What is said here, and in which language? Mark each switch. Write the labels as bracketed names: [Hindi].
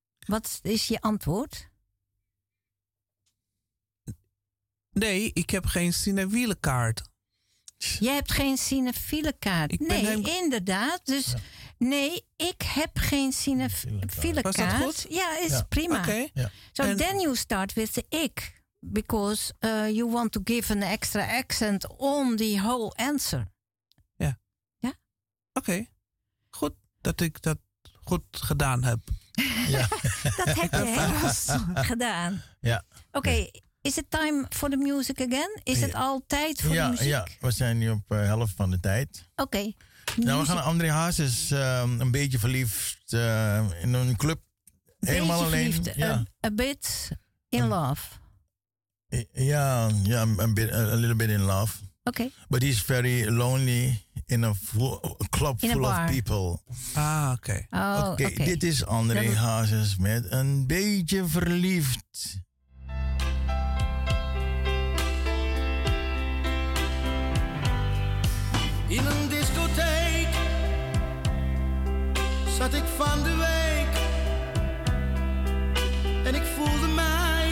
[Dutch] Wat is je antwoord? Nee, ik heb geen cinefiele kaart. Jij hebt geen cinefiele kaart? Nee, inderdaad. Dus ja. Nee, ik heb geen cinefiele kaart. Was dat goed? Ja, is ja. Prima. Okay. [English] Ja. So and then you start with the ik. Because you want to give an extra accent on the whole answer. Ja. Ja? Oké. Okay. [Dutch] Goed dat ik dat goed gedaan heb. Ja. Dat heb je heel goed gedaan. Ja. [English] Oké. Okay. Is it time for the music again? [Dutch] Is het al tijd voor de muziek? Ja, we zijn nu op helft van de tijd. Oké. Okay. Nou, we gaan André Hazes een beetje verliefd in een club. Helemaal alleen. [English] Ja. A bit in love. Ja, a little bit in love. Okay. But he's very lonely in a club full of people. Ah, okay. Oh, okay. [Dutch] Dit is André Hazes met een beetje verliefd. In een discotheek zat ik van de week en ik voelde mij.